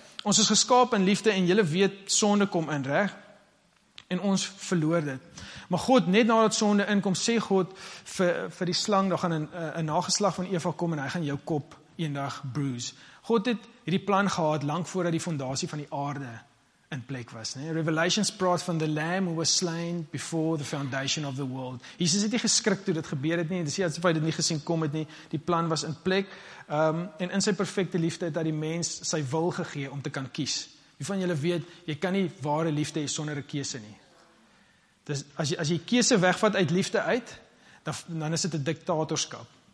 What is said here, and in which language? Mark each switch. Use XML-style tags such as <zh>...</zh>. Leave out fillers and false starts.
<af>Ons is geskaap in liefde en julle weet sonde kom in, reg? En ons verloor dit. Maar God, net nadat sonde inkom, sê God vir die slang, daar gaan 'n nageslag van Eva kom en hy gaan jou kop eendag bruise. God het hierdie plan gehad lank voordat die fondasie van die aarde in plek was. Nee?</af> <en>Revelations praat van the lamb who was slain before the foundation of the world.</en> <af>Jesus het nie geskrik toe dit gebeur het nie, dis nie asof hy dit nie gesien kom het nie, die plan was in plek. En in sy perfekte liefde het hy die mens sy wil gegee om te kan kies. Wie van julle weet, jy kan nie ware liefde hê sonder 'n keuse nie. Dus as jy keuse wegvat uit liefde uit, dan is dit 'n diktatorskap.</af>